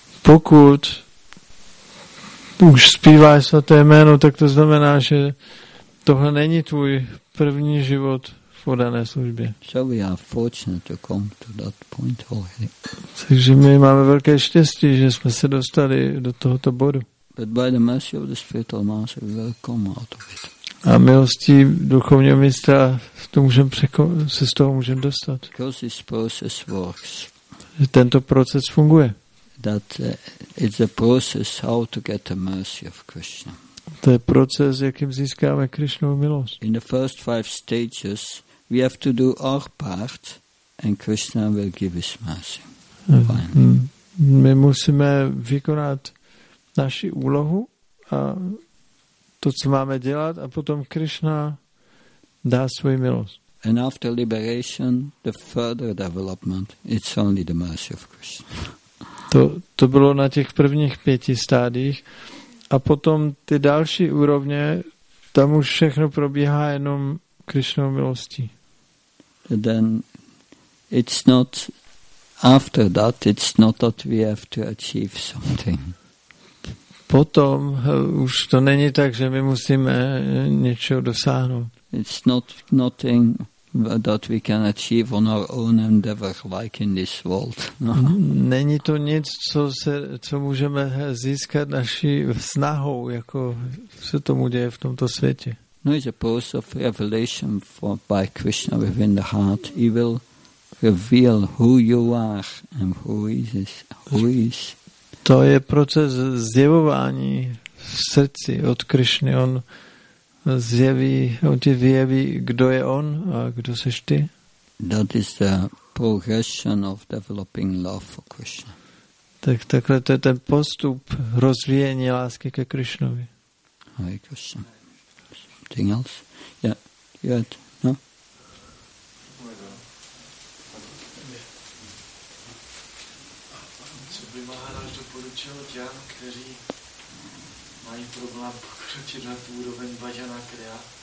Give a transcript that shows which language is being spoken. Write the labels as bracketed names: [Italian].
[Czech] Pokud už zpíváš svaté jméno, tak to znamená, že tohle není tvůj první život. [English] So we are fortunate to come to that point already. [Czech] Takže my máme velké štěstí, že jsme se dostali do tohoto bodu. [English] But by the mercy of the spiritual master, we will come out of it. [Czech] A milostí duchovního mistra se z toho můžeme dostat. [English] Because this process works. [Czech] Tento proces funguje. [English] That it's a process how to get the mercy of Krishna. [Czech] To je proces, jakým získáme Krišnovu milost. [English] In the first five stages, we have to do our part and Krishna will give his mercy. [Czech] My musíme vykonat naši úlohu a to, co máme dělat a potom Krishna dá svůj milost. [English] And after liberation, the further development, it's only the mercy of Krishna. [Czech] To bylo na těch prvních pěti stádiích a potom ty další úrovně, tam už všechno probíhá jenom Krišnou milostí. [English] Then it's not after that, it's not that we have to achieve something. [Czech] Potom už to není tak, že my musíme něčeho dosáhnout. [English] It's nothing that we can achieve on our own endeavor like in this world. [Czech] No. Není to nic, co můžeme získat naší snahou, jako se tomu děje v tomto světě. [English] No, it's a process of revelation by Krishna within the heart. He will reveal who you are and who is. [Czech] To je proces zjevování v srdci od Krishny. On ti vyjeví, kdo je on a kdo seš ty. [English] That is the progression of developing love for Krishna. [Czech] Tak takhle to je ten postup rozvíjení lásky ke Krišnovi. [English] Hare Krishna. Something else? Yeah, you had, no? [Czech] Co by Maharaj doporučil těm, kteří mají problém pokročit na tu úroveň Bhajana Kriya?